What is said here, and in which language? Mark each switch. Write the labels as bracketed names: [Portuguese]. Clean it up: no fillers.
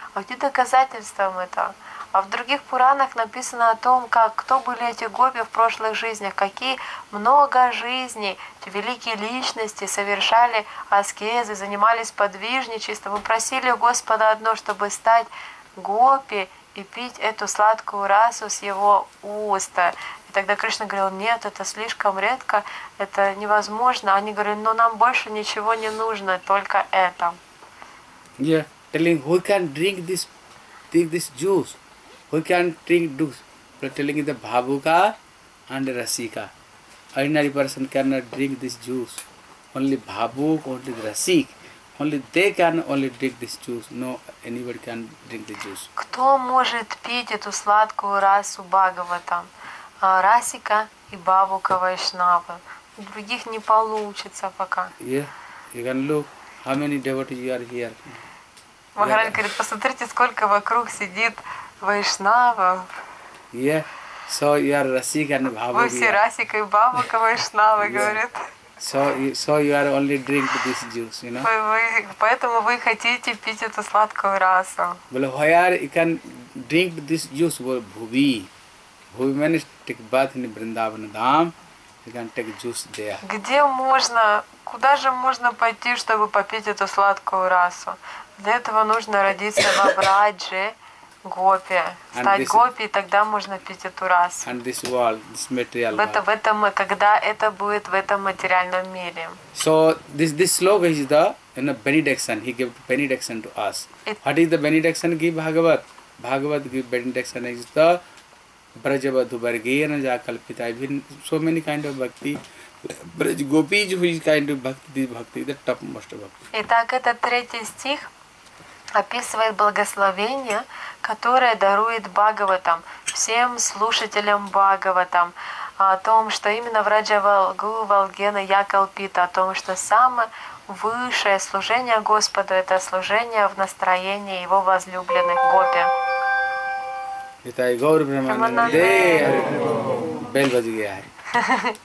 [Russian] А где доказательства это? А в других Пуранах написано о том, как, кто были эти гопи в прошлых жизнях, какие много жизней эти великие личности совершали аскезы, занимались подвижничеством, и просили Господа одно, чтобы стать гопи и пить эту сладкую расу с его уста. И тогда Кришна говорил, нет, это слишком редко, это невозможно. Они говорили, но нам больше ничего не нужно, только это. [English] Yeah, telling who can drink this juice, who can drink juice. But telling the Bhavuka and the Rasika. Ordinary person cannot drink this juice. Only Bhavuk, only Rasik. Only they can only drink this juice. No, anybody can drink the juice. [Russian] Кто может пить эту сладкую расу Бхагаватам? Расика и Бхавука Вайшнава. У других не получится пока. [English] Yeah, you can look how many devotees you are here. [Russian] Махарадж говорит, посмотрите, сколько вокруг сидит Вайшнавов. [English] Yeah, so you are Расика and Бхавука. [Russian] Вы все Расика и Бхавука Вайшнава, yeah. Говорит. [English] So you are only drink this juice, you know? [Russian] Поэтому вы хотите пить эту сладкую расу. [English] Well, why are you can drink this juice? Well, Bhuvi. Bhuvi means take bath in Vrindavan Dham. You can take juice there. [Russian] Где можно, куда же можно пойти, чтобы попить эту сладкую расу? Для этого нужно родиться во Врадже, гопи. Стать гопи, и тогда можно пить эту расу. [English] And this world, this material world. [Russian] Когда это будет в этом материальном мире. [English] So, this slogan is the benediction. He gave benediction to us. What is the benediction give Bhagavat? Bhagavat give benediction is the Brajabadhu Bhargena Jakalpita. Even so many kind of bhakti. Braj Gopi is which kind of bhakti, this bhakti, the topmost bhakti. [Russian] Итак, это третий стих. Описывает благословение, которое дарует Бхагаватам, всем слушателям Бхагаватам, о том, что именно Враджа Валгу Валгена Якалпита, о том, что самое высшее служение Господу – это служение в настроении Его возлюбленных гопи.